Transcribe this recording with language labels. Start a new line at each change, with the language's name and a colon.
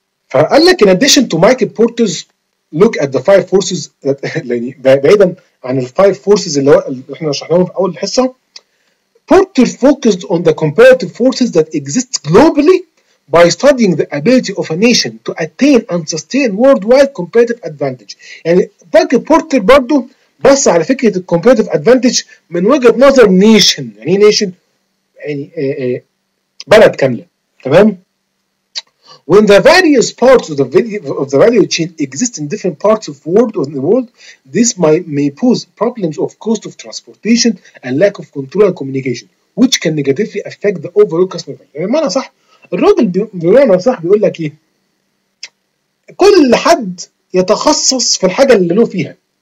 Arabic: فقال لك
English: in addition to Michael Porter's look at the five forces
Arabic: يعني بعيدا عن الفايف فورسز اللي احنا شرحناهم في أول الحصة،
English: Porter focused on the comparative forces that exist globally by studying the ability of a nation to attain and sustain worldwide competitive advantage.
Arabic: يعني فاكر بورتر برضو بس على فكرة الـ competitive advantage من وجهة نظر nation، يعني nation يعني بلد كاملة، تمام؟
English: When the various parts of the value chain exist in different parts of the world, this may pose problems of cost of transportation and lack of control and communication. which can negatively affect the overall customer value.
Arabic: يعني معنى صح الراجل بيقول انا صح بيقول لك ايه كل حد يتخصص في الحاجه اللي له فيها.